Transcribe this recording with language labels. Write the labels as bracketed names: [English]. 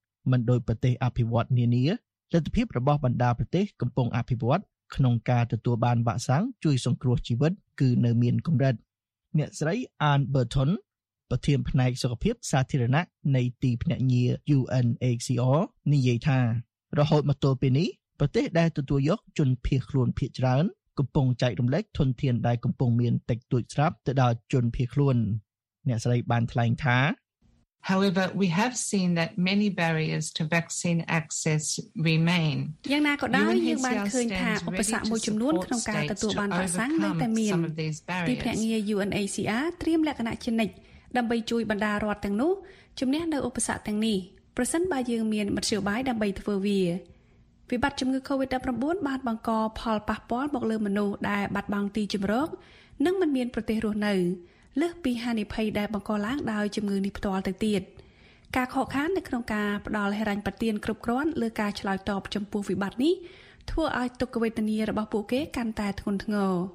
[Khmer] មិនដូចប្រទេសអភិវឌ្ឍនានាលទ្ធភាពរបស់បណ្ដាប្រទេសកំពុងអភិវឌ្ឍក្នុងការទទួលបានវ៉ាក់សាំងជួយសង្គ្រោះជីវិតគឺនៅមានកម្រិតអ្នកស្រី Anne Burton ប្រធានផ្នែកសុខភាពសាធារណៈនៃទីភ្នាក់ងារ UNHCR និយាយថារហូតមកទល់ពេលនេះប្រទេសដែលទទួលយកជនភៀសខ្លួនភាគច្រើនកំពុងចែករំលែកធនធានដែលកំពុងមានតិចតួចស្រាប់ទៅដល់ជនភៀសខ្លួនអ្នកស្រីបានថ្លែងថា [English] However, we have seen that many barriers to vaccine access remain. [Khmer] យ៉ាងណាក៏ដោយយើងបានឃើញថាឧបសគ្គមួយចំនួនក្នុងការទទួលបានវ៉ាក់សាំងនៅតែមាន ទីភ្នាក់ងារ UNHCR ត្រៀមលក្ខណៈជានិច្ចដើម្បីជួយបណ្ដារដ្ឋទាំងនោះជំនះនៅឧបសគ្គទាំងនេះប្រសិនបើយើងមានមធ្យោបាយដើម្បីធ្វើវា វិបត្តិជំងឺ COVID-19 បានបង្កផលប៉ះពាល់មកលើមនុស្សដែលបាត់បង់ទីជម្រកនិងមិនមានប្រទេសរស់នៅលើសពីហានិភ័យដែលបង្កឡើងដោយជំងឺនេះផ្ទាល់ទៅទៀតការខកខាននៅក្នុងការផ្ដល់ហិរញ្ញប្បទានគ្រប់គ្រាន់លើការឆ្លើយតបចំពោះវិបត្តិនេះធ្វើឲ្យទុក្ខវេទនារបស់ពួកគេកាន់តែធ្ងន់ធ្ងរ